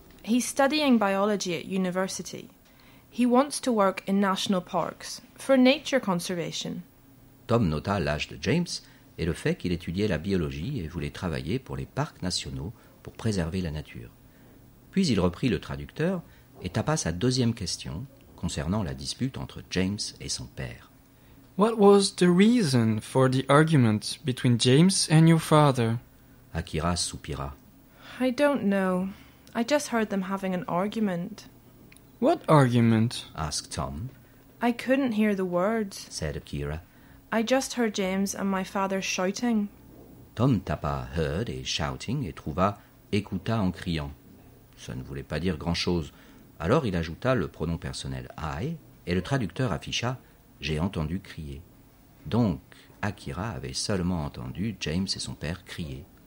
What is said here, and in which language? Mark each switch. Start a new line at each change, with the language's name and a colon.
English: He's studying biology at university. He wants to work in national parks, for nature conservation. »
French: Tom nota l'âge de James et le fait qu'il étudiait la biologie et voulait travailler pour les parcs nationaux pour préserver la nature. Puis il reprit le traducteur et tapa sa deuxième question concernant la dispute entre James et son père.
English: What was the reason for the argument between James and your father?
French: Akira soupira.
English: I don't know. I just heard them having an argument. What argument? Asked Tom. I couldn't hear the words, said Akira. I just heard James and my father shouting.
French: Tom tapa « heard » et « shouting » et trouva « écouta » en criant. Ça ne voulait pas dire grand-chose. Alors il ajouta le pronom personnel « I » et le traducteur afficha « j'ai entendu crier ». Donc, Akira avait seulement entendu James et son père crier.